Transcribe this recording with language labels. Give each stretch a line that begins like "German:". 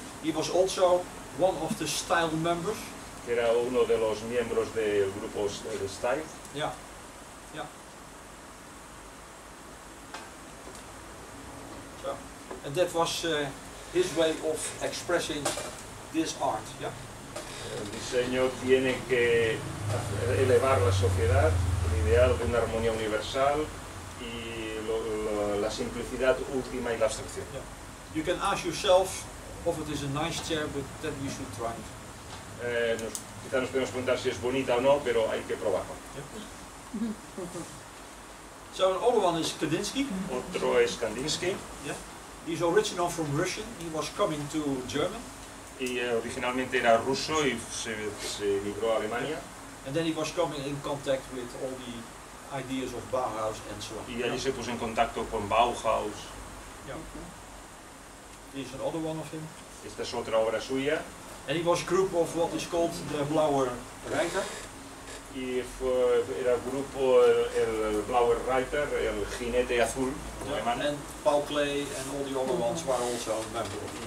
English: He was also one of the Style members.
Spanish: Era uno de los miembros del grupo de Style.
English: Yeah. Yeah. So, and that was his way of expressing this art. Yeah.
Spanish: El diseño tiene que elevar la sociedad, el ideal de una armonía universal y la simplicidad última y la abstracción.
English: Yeah. You can ask yourself if it is a nice chair, but that you should try it.
Spanish: Quizá nos podemos preguntar si es bonita o no, pero hay que probarlo.
English: Yeah. So another one is Kandinsky.
Spanish: Otro es Kandinsky.
English: Yeah. He's original from Russian. He was coming to German.
Spanish: Y originalmente era ruso y se emigró a Alemania.
English: And then he was coming in contact with all the ideas of Bauhaus and so on.
Spanish: Y allí se puso en contacto con Bauhaus.
English: Yeah. Here's another one of him.
Spanish: Esta es otra obra suya.
English: And he was group of what is called the Blaue Reiter.
Spanish: Y era grupo el Blaue Reiter, el jinete azul. Yeah,
English: and Paul Klee and all the other ones were also members.